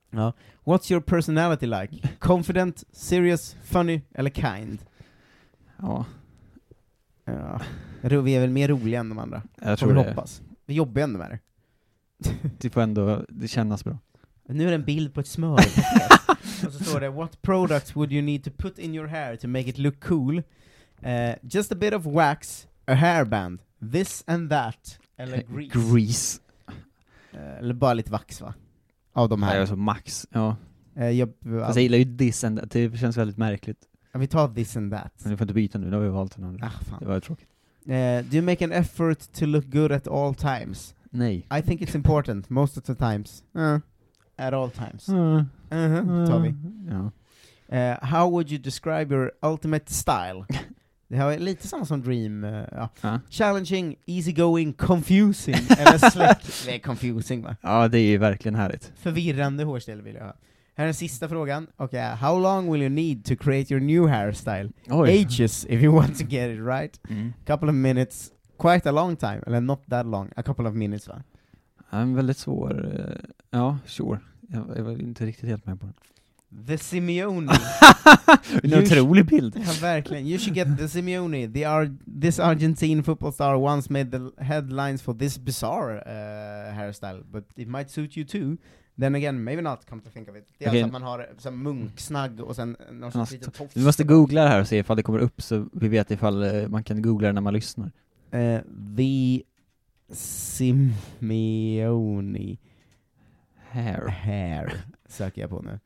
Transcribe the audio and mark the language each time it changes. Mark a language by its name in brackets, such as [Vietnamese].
[English] Ja. What's your personality like? Confident, serious, funny eller kind? [Swedish] Ja. Ja. Vi är väl mer roliga än de andra. Jag tror det. Hoppas. Vi jobbar ändå med det. Det får ändå det kännas bra. Nu är det en bild på ett smör. Och så står det, [English] what products would you need to put in your hair to make it look cool? Just a bit of wax, a hairband, this and that, eller grease. Grease. [Swedish] Eller bara lite vax, va? Av de här. Ja, alltså max, ja. Jag gillar ju [English] this and that. [Swedish] Det känns väldigt märkligt. Ja, vi tar [English] this and that. [Swedish] Men du får inte byta nu. Då har vi valt den. Fan. Det var ju tråkigt. [English] Do you make an effort to look good at all times? [Swedish] Nej. [English] I think it's important most of the times. At all times. [Swedish] Tar vi. Ja. [English] How would you describe your ultimate style? [Swedish] Det här är lite samma som Dream. [English] Challenging, easygoing, confusing. Eller slick. [Swedish] Det är [English] confusing, va? [Swedish] Ja, det är ju verkligen härligt. Förvirrande hårstil vill jag ha. Här är den sista frågan. Okay. [English] How long will you need to create your new hairstyle? [Swedish] Oj. [English] Ages, if you want to get it right. Mm. Couple of minutes. Quite a long time. Eller not that long. A couple of minutes, va? [Swedish] En väldigt svår. Ja, sure. Jag var inte riktigt helt med på det. [English] The Simeone. [Swedish] En otrolig bild. Ja, verkligen. [English] You should get The Simeone. This Argentine football star once made the headlines for this bizarre hairstyle. But it might suit you too. Then again, maybe not, come to think of it. [Swedish] Det är okay. Alltså att man har sån munksnagg och sen någon sån liten tofs. Vi måste googla det här och se ifall det kommer upp så vi vet ifall man kan googla det när man lyssnar. [English] The Simeone Hair. [Swedish] Söker jag på nu.